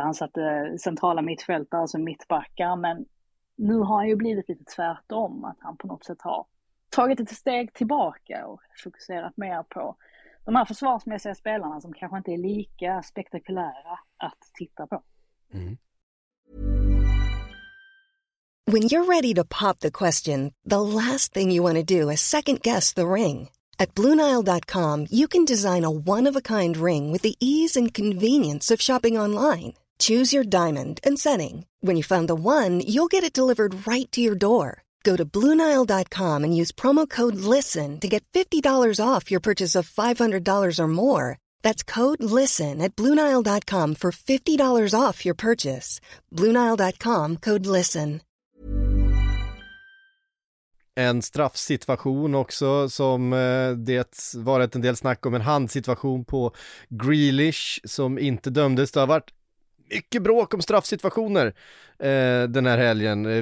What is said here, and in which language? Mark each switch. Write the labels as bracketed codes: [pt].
[sv] Han satte centrala mittfältare, alltså mittbackar, men nu har han ju blivit lite tvärtom, att han på något sätt har tagit ett steg tillbaka och fokuserat mer på de här försvarsmässiga spelarna som kanske inte är lika spektakulära att titta på. Mm. [en] When you're ready to pop the question, the last thing you want to do is second guess the ring. At BlueNile.com, you can design a one-of-a-kind ring with the ease and convenience of shopping online. Choose your diamond and setting. When you find the one, you'll get it delivered right to your door. Go to BlueNile.com and use promo code LISTEN to get $50 off your purchase of $500 or more. That's code LISTEN at BlueNile.com for $50 off your purchase. BlueNile.com, code LISTEN. [sv] En straffsituation också som det varit en del snack om, en handsituation på Grealish som inte dömdes. Det har varit mycket bråk om straffsituationer den här helgen.